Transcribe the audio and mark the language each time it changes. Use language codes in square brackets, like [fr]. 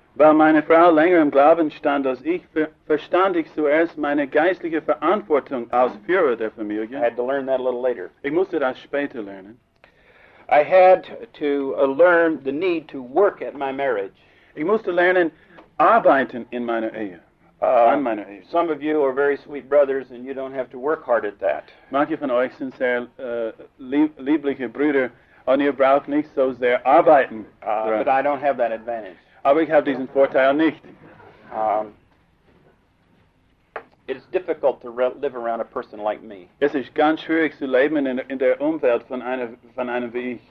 [de] Weil meine Frau länger im Glauben stand als ich, verstand ich zuerst meine geistliche Verantwortung als Führer der Familie. [en] I had to learn that a little later. [de] Ich musste das später lernen. [en] I had to learn the need to work at my marriage. [de] Ich musste lernen, arbeiten in meiner Ehe. An meiner Ehe. [en] Some of you are very sweet brothers and you don't have to work hard at that. [de] Manche von euch sind sehr liebliche Brüder und ihr braucht nicht so sehr arbeiten. [en] But I don't have that advantage. [de] Aber ich habe diesen Vorteil nicht. [en] It is difficult to live around a person like me. [de] Es ist ganz schwierig zu leben in der Umwelt von einem wie ich.